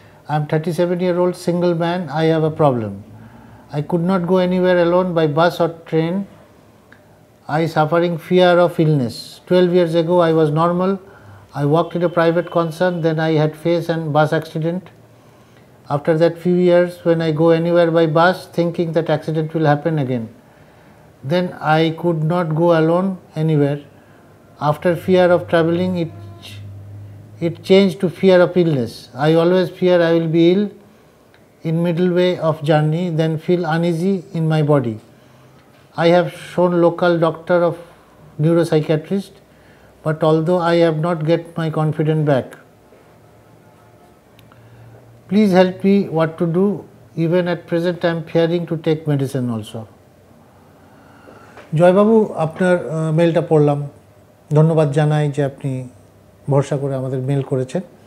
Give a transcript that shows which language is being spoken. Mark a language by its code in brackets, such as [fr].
[en] I am 37-year-old single man, I have a problem, I could not go anywhere alone by bus or train, I suffering fear of illness, 12 years ago I was normal, I worked in a private concern, then I had face and bus accident. After that few years, when I go anywhere by bus, thinking that accident will happen again. Then I could not go alone anywhere. After fear of traveling, it changed to fear of illness. I always fear I will be ill in middle way of journey, then feel uneasy in my body. I have shown local doctor of neuropsychiatrist, but although I have not get my confidence back. Please help me what to do, even at present I am fearing to take medicine also. [bn] জয়বাবু, আপনার মেলটা পড়লাম, ধন্যবাদ জানাই যে আপনি ভরসা করে আমাদের মেল করেছেন।